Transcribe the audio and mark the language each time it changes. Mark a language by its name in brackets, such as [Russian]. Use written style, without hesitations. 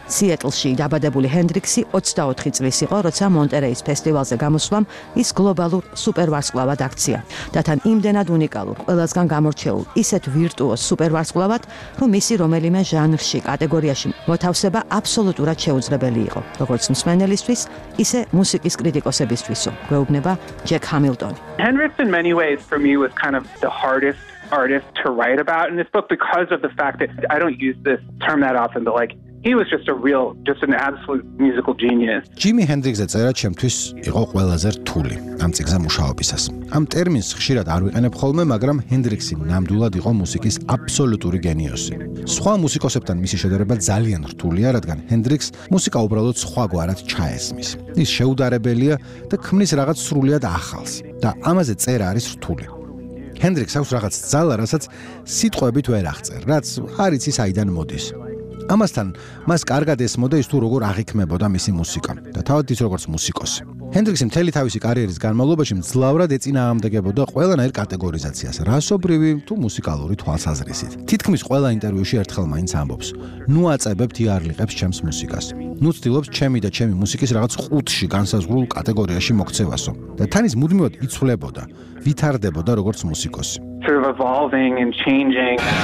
[Georgian] სიეტლში დაბადებული ჰენდრიქსი 24 წლის იყო, როცა მონტერეის ფესტივალზე გამოსვლამ ის გლობალურ სუპერვარსკვლავად აქცია. და თან იმდენად უნიკალურ, ყველასგან გამორჩეულ, ისეთ ვირტუოზ სუპერვარსკვლავად, რომ მისი რომელიმე ჟანრში, კატეგორიაში მოთავსება აბსოლუტურად შეუძლებელი იყო, როგორც მსმენელისთვის, ისე მუსიკის კრიტიკოსებისთვისო, გვეუბნება ჯეკ ჰამილტონი. [English] Hendrix in many ways for me was kind of the hardest artist to write about in this book because of the fact that I don't use this term that often, but like he was just a real, just an absolute musical genius. [Georgian] ჯიმი ჰენდრიქსი წერა ჩემთვის იყო ყველაზე რთული ამ წიგნზე მუშაობისას. ამ ტერმინს ხშირად არ ვიყენებ ხოლმე, მაგრამ ჰენდრიქსი ნამდვილად იყო მუსიკის აბსოლუტური გენიოსი. სხვა მუსიკოსებთან მისი შედარება ძალიან რთულია, რადგან ჰენდრიქს მუსიკა უბრალოდ სხვაგვარად ჩაესმის. ის შეუდარებელია და ქმნის რაღაც სრულიად ახალს. და ამაზე წერა არის რთული. ჰენდრიქს აქვს რაღაც ძალა, რასაც სიტყვებით ვერ აღწერ, რაც არ იცის აიდან მოდის. ამასთან მას კარგად ესმოდა ის თუ როგორ აღიქმებოდა მისი მუსიკა და თავად ის როგორც მუსიკოსი. ჰენდრიქსი მთელი თავისი კარიერის განმავლობაში მძლავრად ეწინააღმდეგებოდა ყველანაირ კატეგორიზაციას, რასობრივი თუ მუსიკალური თვალსაზრისით. თითქმის ყველა ინტერვიუში ერთხელ მაინც ამბობს: ნუ აწებებ თიარლიყებს ჩემს მუსიკას. ნუ ცდილობ ჩემი და ჩემი მუსიკის რაღაც ხუთში განსაზღვრულ კატეგორიაში მოქცევასო. და თან ის მუდმივად იცვლებოდა, ვითარდებოდა როგორც მუსიკოსი. [English] Through evolving and changing.